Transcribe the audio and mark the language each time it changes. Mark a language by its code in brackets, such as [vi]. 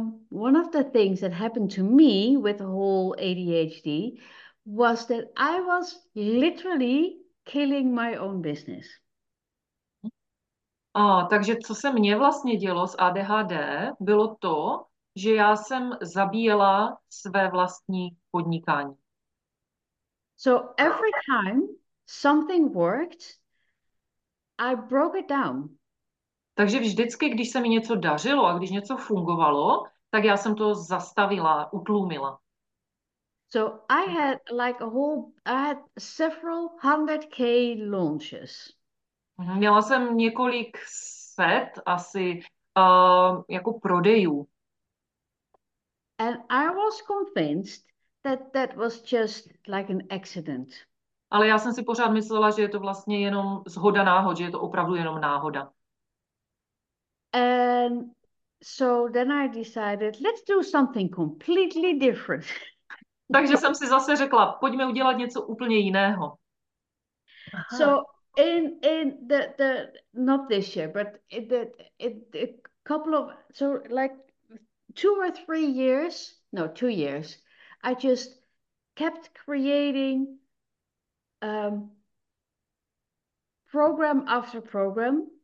[en] One of the things that happened to me with the whole ADHD was that I was literally killing my own business. [cs] Takže co se mně vlastně dělo s ADHD, bylo to, že já jsem zabíjela své vlastní podnikání. [en] So every time something worked, I broke it down. [cs] Takže vždycky, když se mi něco dařilo a když něco fungovalo, tak já jsem to zastavila, utlumila. [en] So I had like a whole, I had several hundred K launches. [cs] Měla jsem několik set asi jako prodejů. [en] And I was convinced that that was just like an accident. [cs] Ale já jsem si pořád myslela, že je to vlastně jenom shoda náhod, že je to opravdu jenom náhoda. [en] And so then I decided, let's do something completely different. [cs] Takže jsem si zase řekla, pojďme udělat něco úplně jiného. Aha. [en] So in the not this year, but a couple of, so like 2 or 3 years, no, 2 years, I just kept creating program after program.